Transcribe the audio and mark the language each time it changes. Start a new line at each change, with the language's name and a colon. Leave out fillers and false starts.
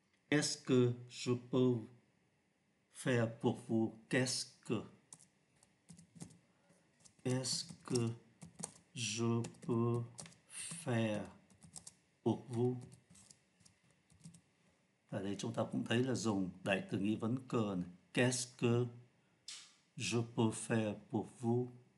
French: Qu'est-ce que je peux faire pour vous? Qu'est-ce que je peux faire pour vous?
Vietnamese: Ở đây chúng ta cũng thấy là dùng đại từ nghi vấn cơ này.
French: Qu'est-ce que je peux faire pour vous?